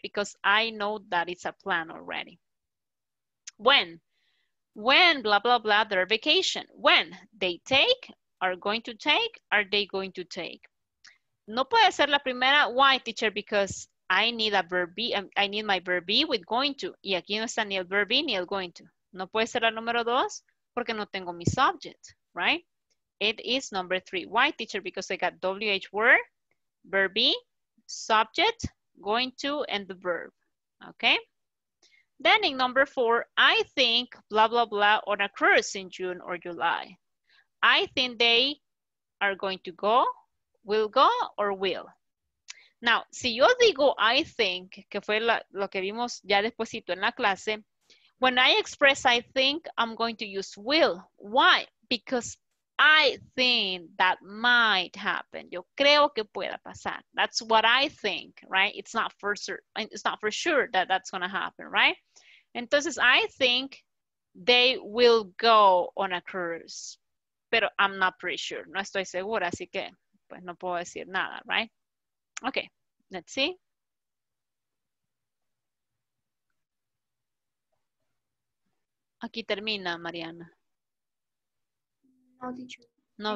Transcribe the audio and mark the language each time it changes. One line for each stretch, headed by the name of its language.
English: Because I know that it's a plan already. When, blah, blah, blah, their vacation. When they take, are going to take, are they going to take?
Spanish: No puede ser la primera,
English: why teacher? Because I need a verb be, I need my verb be with going to.
Spanish: Y aquí no está ni el verb be ni el going to. No puede ser la número dos, porque no tengo mi subject,
English: right? It is number three. Why teacher? Because I got WH word, verb be, subject, going to, and the verb, okay? Then in number four, I think blah, blah, blah on a cruise in June or July. I think they are going to go, will go, or will. Now,
Spanish: si yo digo
English: I think,
Spanish: que fue lo que vimos ya despuesito en la clase,
English: when I express I think, I'm going to use will. Why? Because I think that might happen.
Spanish: Yo creo que pueda pasar.
English: That's what I think, right? It's not for sure, that that's going to happen, right?
Spanish: Entonces,
English: I think they will go on a cruise. But I'm not pretty sure.
Spanish: No estoy segura, así que pues no puedo decir nada,
English: right? Okay, let's see.
Spanish: Aquí termina, Mariana. No,